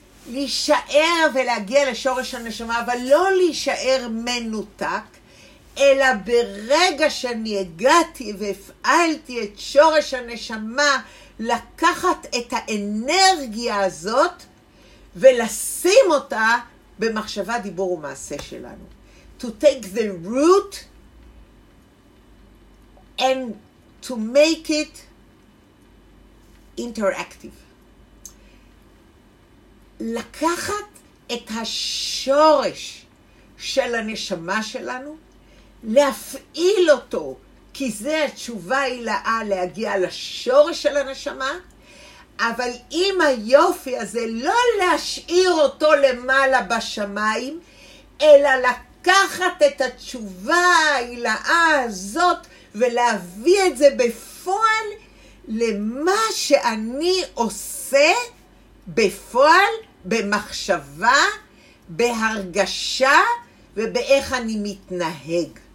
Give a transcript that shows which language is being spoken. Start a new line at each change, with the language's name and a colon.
Hebrew: להישאר ולהגיע לשורש הנשמה, אבל לא להישאר מנותק, אלא ברגע שאני הגעתי והפעלתי את שורש הנשמה, לקחת את האנרגיה הזאת ולשים אותה במחשבה, דיבור ומעשה שלנו.
English: To take the root and to make it interactive.
Hebrew: לקחת את השורש של הנשמה שלנו, להפעיל אותו, כי זה התשובה הילאה, להגיע לשורש של הנשמה. אבל אם היופי הזה, לא להשאיר אותו למעלה בשמיים, אלא לקחת את התשובה הילאה הזאת ולהביא את זה בפועל למה שאני עושה בפועל, במחשבה, בהרגשה ובאיך אני מתנהג.